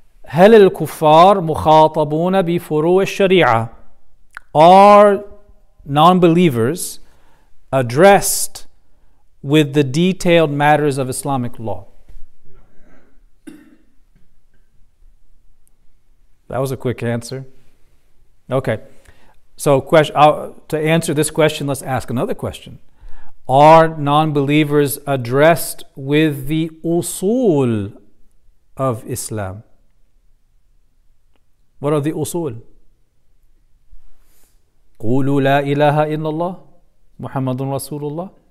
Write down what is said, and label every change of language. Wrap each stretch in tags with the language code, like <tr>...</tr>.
<ar>هل الكفار مخاطبون بفروع الشريعة?</ar> <en>Are non-believers addressed with the detailed matters of Islamic law? That was a quick answer. Okay. So to answer this question, let's ask another question. Are non-believers addressed with the usul of Islam? What are the usul?</en> <ar>قولوا لا إله إلا الله محمد رسول الله.</ar>